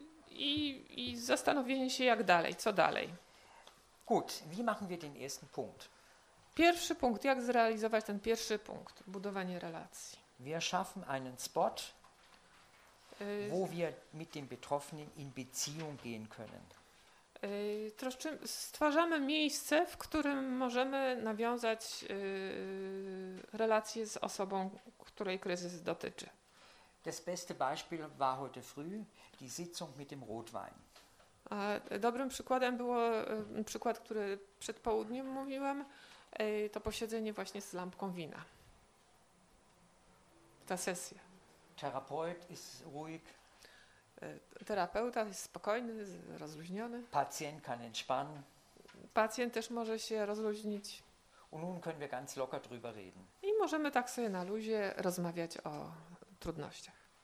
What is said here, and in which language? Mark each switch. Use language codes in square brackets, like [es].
[pl] I zastanowienie się, jak dalej, co dalej. [de] Gut, wie machen wir den ersten Punkt? [pl] Pierwszy punkt, jak zrealizować ten pierwszy punkt, budowanie relacji. [de] Wir schaffen einen Spot, wo wir mit dem Betroffenen in Beziehung gehen können. [pl] Stwarzamy miejsce, w którym możemy nawiązać relacje z osobą, której kryzys dotyczy. [de] Das beste Beispiel war heute früh die Sitzung mit dem Rotwein. [pl] A dobrym przykładem było przykład, który przed południem mówiłam, to posiedzenie właśnie z lampką wina. Ta sesja. [de] Terapeut ist ruhig. [pl] Terapeuta jest spokojny, rozluźniony. [de] Pacjent kann entspannen. [pl] Pacjent też może się rozluźnić. [de] Und nun können wir ganz locker drüber reden. [pl] I możemy tak sobie na luzie rozmawiać o trudnościach.